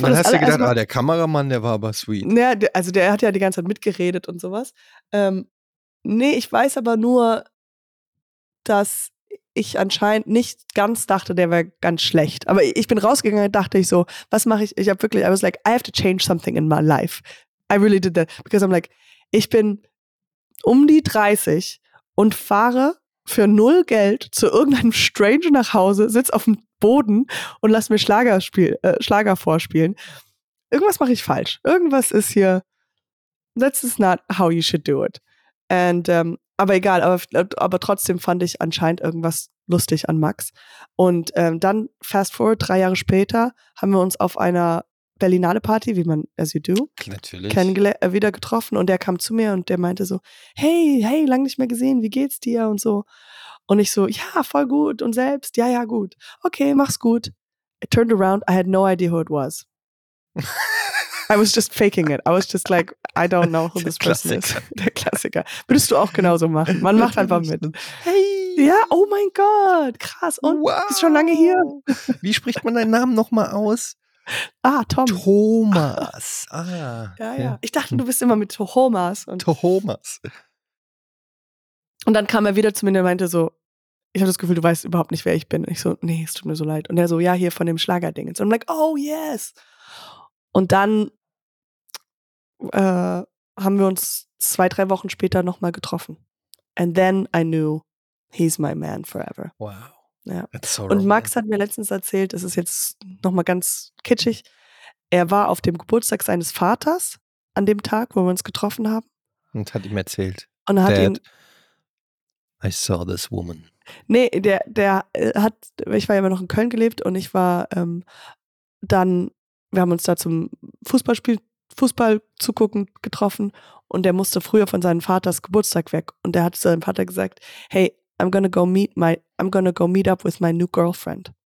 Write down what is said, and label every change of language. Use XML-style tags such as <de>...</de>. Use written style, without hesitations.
<de>man war das hast ja gedacht, mal, der Kameramann, der war aber sweet. Naja, also der hat ja die ganze Zeit mitgeredet und sowas. Nee, ich weiß aber nur, dass ich anscheinend nicht ganz dachte, der wäre ganz schlecht. Aber ich bin rausgegangen und dachte ich so, was mache ich? Ich habe wirklich...</de> <en>I was like, I have to change something in my life. I really did that. Because I'm like,</en> <de>ich bin... um die 30 und fahre für null Geld zu irgendeinem Stranger nach Hause, sitze auf dem Boden und lass mir Schlager vorspielen. Irgendwas mache ich falsch. Irgendwas ist hier,</de> <en>that's just not how you should do it.</en> <de>And, aber egal, aber trotzdem fand ich anscheinend irgendwas lustig an Max. Und dann</de> <en>fast forward,</en> <de>3 Jahre später, haben wir uns auf einer Berlinale Party, wie man,</de> <en>as you do,</en> <de>wieder getroffen und der kam zu mir und der meinte so, hey, lang nicht mehr gesehen, wie geht's dir und so. Und ich so, ja, voll gut und selbst, ja, gut. Okay, mach's gut.</de> <en>I turned around, I had no idea who it was. I was just faking it. I was just like, I don't know who this person is.</en> <de>Der Klassiker. Würdest du auch genauso machen. Man macht einfach mit. Hey! Ja, oh mein Gott, krass. Und wow. Bist schon lange hier? Wie spricht man deinen Namen nochmal aus? Ah, Tom. Thomas. Ah. Ja. Ich dachte, du bist immer mit Thomas. Thomas. Und dann kam er wieder zu mir und meinte so, ich habe das Gefühl, du weißt überhaupt nicht, wer ich bin. Und ich so, nee, es tut mir so leid. Und er so, ja, hier von dem Schlagerding. Und</de> <en>I'm like, oh yes.</en> <de>Und dann haben wir uns 2-3 Wochen später nochmal getroffen.</de> <en>And then I knew he's my man forever.</en> <de>Wow. Ja. Und Max hat mir letztens erzählt, das ist jetzt nochmal ganz kitschig, er war auf dem Geburtstag seines Vaters an dem Tag, wo wir uns getroffen haben. Und hat ihm erzählt, und hat</de> <en>Dad,</en> <de>ihn,</de> <en>I saw this woman.</en> <de>Nee, der hat, ich war ja immer noch in Köln gelebt und ich war dann, wir haben uns da zum Fußball zu gucken getroffen und der musste früher von seinem Vaters Geburtstag weg und der hat seinem Vater gesagt,</de> <en>hey, I'm gonna go meet up with my new girlfriend.</en>